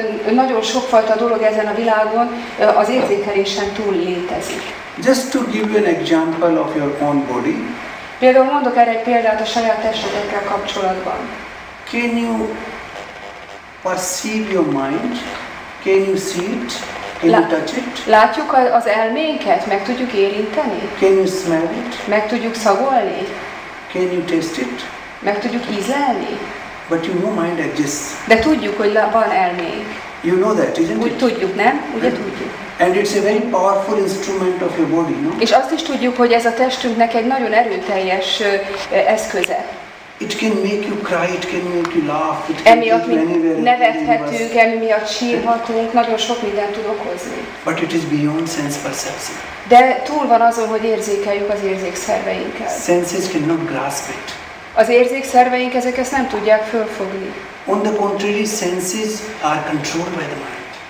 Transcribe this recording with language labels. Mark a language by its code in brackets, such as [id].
[hu] Nagyon sokfajta dolog ezen a világon az érzékelésen túl létezik. [en] Just to give you an example of your own body. [hu] Például mondok erre egy példát a saját testetekkel kapcsolatban. [en] Can you perceive your mind? Can you see it? Can you touch it? [hu] Látjuk az elménket? Meg tudjuk érinteni? [en] Can you smell it? [hu] Meg tudjuk szagolni? [en] Can you taste it? [hu] Meg tudjuk ízelni? [en] But you know mind exists. [hu] De tudjuk, hogy van elménk. [en] You know that, isn't it? [hu] Úgy tudjuk, nem? Ugye tudjuk. [en] And it's a very powerful instrument of your body, no? [hu] És azt is tudjuk, hogy ez a testünknek egy nagyon erőteljes eszköze. [en] It can make you cry, it can make you laugh, it can [hu] emiatt [en] take you anywhere. [hu] Nevethetünk, emiatt sírhatunk, nagyon sok mindent tud okozni. [en] But it is beyond sense perception. [hu] De túl van azon, hogy érzékeljük az érzékszerveinket. [en] Senses cannot grasp it. [hu] Az érzékszerveink ezek ezt nem tudják fölfogni. [en] On the contrary, senses are controlled by the mind.